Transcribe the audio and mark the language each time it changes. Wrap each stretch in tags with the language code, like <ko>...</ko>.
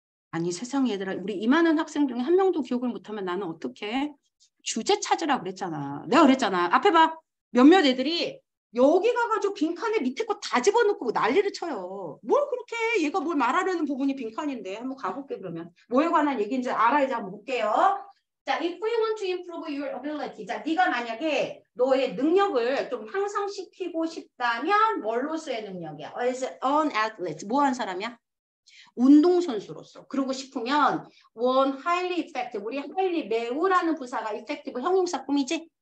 <ko>아니 세상에 얘들아 우리 2만원 학생 중에 한 명도 기억을 못하면 나는 어떻게 주제 찾으라 그랬잖아. 내가 그랬잖아. 앞에 봐. 몇몇 애들이 여기 가가지고 빈칸에 밑에 거 다 집어넣고 난리를 쳐요. 뭘 그렇게 해. 얘가 뭘 말하려는 부분이 빈칸인데 한번 가볼게 그러면. 뭐에 관한 얘기인지 알아야지 한번 볼게요.</ko> <en>자, if you want to improve your ability.</en> <ko>자, 네가 만약에 너의 능력을 좀 향상시키고 싶다면 뭘로서의 능력이야?</ko> <en>As an athlete.</en> <ko>뭐 한 사람이야? 운동선수로서 그러고 싶으면</ko> <en>one highly effective</en> <ko>우리 highly 매우라는 부사가 effective 형용사 꾸미지?</ko>